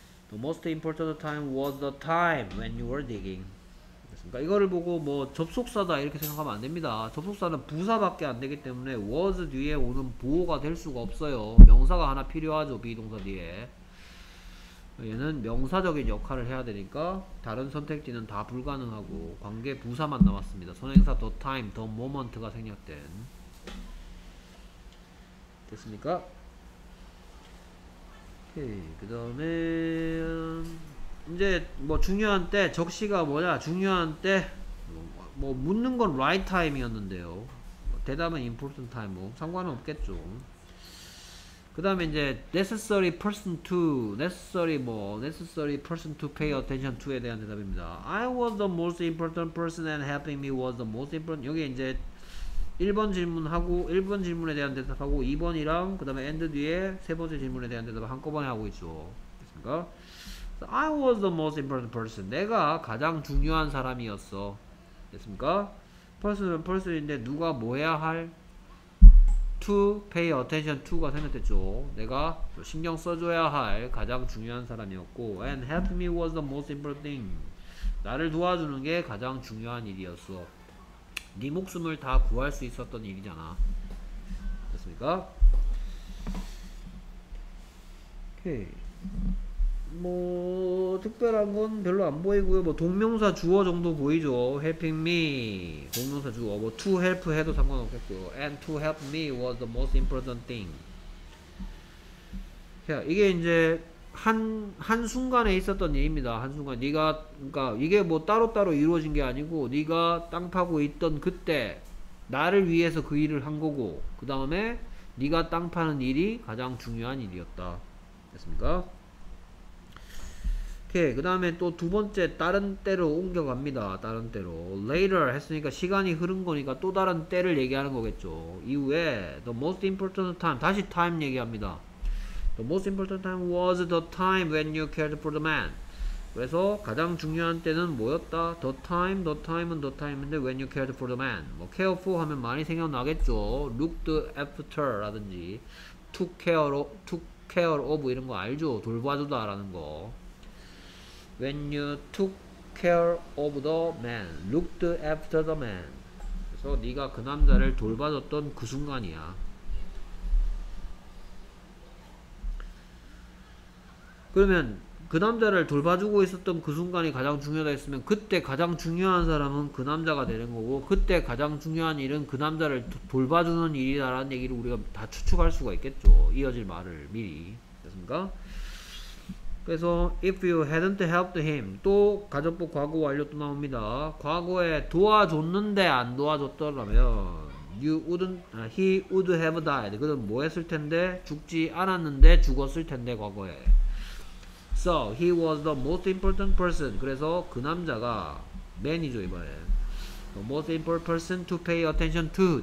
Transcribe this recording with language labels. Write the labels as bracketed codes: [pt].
[en] The most important time was the time when you were digging. [ko] 그러니까 이거를 보고 뭐 접속사다 이렇게 생각하면 안 됩니다. 접속사는 부사밖에 안 되기 때문에 was 뒤에 오는 보호가 될 수가 없어요. 명사가 하나 필요하죠, 비동사 뒤에. 얘는 명사적인 역할을 해야 되니까 다른 선택지는 다 불가능하고 관계 부사만 남았습니다. 선행사 the time, the moment가 생략된. 됐습니까? 오케이. 그 다음에 이제 뭐 중요한 때 적시가 뭐냐 중요한 때 뭐 묻는 건 right time이었는데요. 대답은 important time 뭐 상관은 없겠죠. 그 다음에 이제 necessary person to necessary 뭐 necessary person to pay attention to 에 대한 대답입니다. [en] I was the most important person and helping me was the most important. [ko] 여기 이제 1번 질문하고 1번 질문에 대한 대답하고 2번이랑 그 다음에 end 뒤에 세 번째 질문에 대한 대답을 한꺼번에 하고 있죠. 됐습니까? [en] So I was the most important person. [ko] 내가 가장 중요한 사람이었어. 됐습니까? person은 person인데 누가 뭐 해야 할? [en] to pay attention to가 생각됐죠. 내가 신경 써줘야 할 가장 중요한 사람이었고 and help me was the most important thing. [ko] 나를 도와주는 게 가장 중요한 일이었어. 네 목숨을 다 구할 수 있었던 일이잖아. 됐습니까? 오케이. 뭐 특별한 건 별로 안 보이고요. 뭐 동명사 주어 정도 보이죠. Helping me 동명사 주어. 뭐 to help 해도 상관없겠고요. [en] And to help me was the most important thing. [ko] 자, 이게 이제 한 순간에 있었던 일입니다. 한 순간. 네가 그러니까 이게 뭐 따로 이루어진 게 아니고 네가 땅 파고 있던 그때 나를 위해서 그 일을 한 거고 그 다음에 네가 땅 파는 일이 가장 중요한 일이었다. 됐습니까? 오케이. 그 다음에 또 두 번째 다른 때로 옮겨갑니다. 다른 때로 later 했으니까 시간이 흐른 거니까 또 다른 때를 얘기하는 거겠죠. 이후에 the most important time 다시 time 얘기합니다. [en] The most important time was the time when you cared for the man. [ko] 그래서 가장 중요한 때는 뭐였다? [en] The time은 the time인데 when you cared for the man. [ko] 뭐 care for 하면 많이 생각나겠죠. looked after 라든지 took care of 이런 거 알죠? 돌봐주다 라는 거. [en] When you took care of the man, looked after the man. [ko] 그래서 네가 그 남자를 돌봐줬던 그 순간이야. 그러면 그 남자를 돌봐주고 있었던 그 순간이 가장 중요하다 했으면 그때 가장 중요한 사람은 그 남자가 되는 거고 그때 가장 중요한 일은 그 남자를 돌봐주는 일이다라는 얘기를 우리가 다 추측할 수가 있겠죠. 이어질 말을 미리. 됐습니까? 그래서 if you hadn't helped him 또 가정법 과거 완료 또 나옵니다. 과거에 도와줬는데 안 도와줬더라면 you wouldn't he would have died. 그럼 뭐 했을 텐데 죽지 않았는데 죽었을 텐데 과거에. [en] So he was the most important person. [ko] 그래서 그 남자가 man이죠 이번에. [en] The most important person to pay attention to.